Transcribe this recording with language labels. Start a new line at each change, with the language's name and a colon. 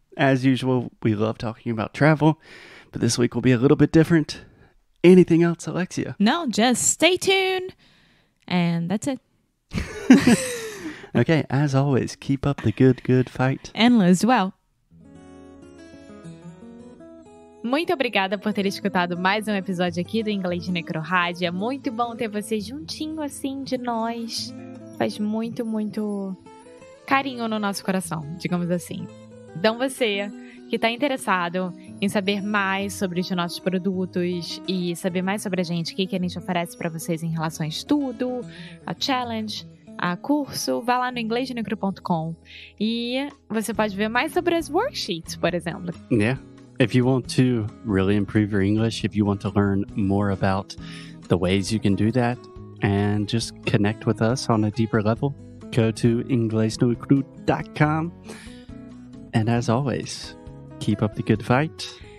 English: As usual, we love talking about travel, but this week will be a little bit different. Anything else, Alexia? No, just stay tuned. And that's it. Okay, as always, keep up the good, good fight. And lose well.
Portuguese: Muito obrigada por ter escutado mais um episódio aqui do Inglês de Necrorádio. É muito bom ter você juntinho assim de nós. Faz muito, muito carinho no nosso coração, digamos assim. Então você que está interessado em saber mais sobre os nossos produtos e saber mais sobre a gente, o que a gente oferece para vocês em relação a estudo, a challenge, a curso, vá lá no inglesdenecro.com e você pode ver mais sobre as worksheets, por exemplo.
English: Yeah. If you want to really improve your English, if you want to learn more about the ways you can do that and just connect with us on a deeper level, go to inglesdenecro.com. And as always, keep up the good fight.